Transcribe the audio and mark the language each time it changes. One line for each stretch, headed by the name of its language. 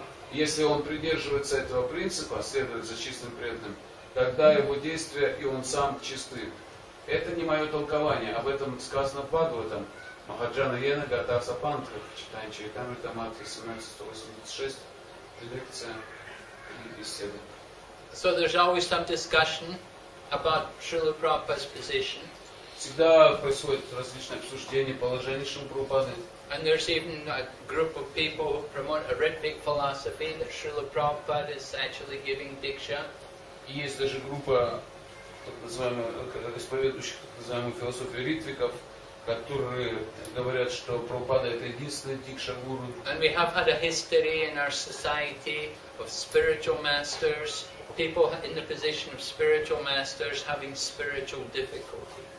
Russian: Если он придерживается этого принципа, следует за чистым преданным, тогда его действия и он сам чисты. Это не мое толкование, об этом сказано в Бхагаватам.
Sanskrit: Махаджана Йена Гатаса Пантха,
Russian: читание Чайтамрита Матхи 17.186, лекция и беседа.
English: So there's always some discussion about Srila Prabhupada's position.
Russian: Всегда происходит различное обсуждение положения Шрилы.
English: And there's even a group of people who promote a rhythmic philosophy that Srila Prabhupada is actually giving diksha.
Russian: Есть даже группа так называемых исповедующих так называемых философию ритвиков, которые говорят, что Прабхупада это единственный дикша-гуру.
English: And we have had a history in our society of spiritual masters, people in the position of spiritual masters having spiritual difficulty.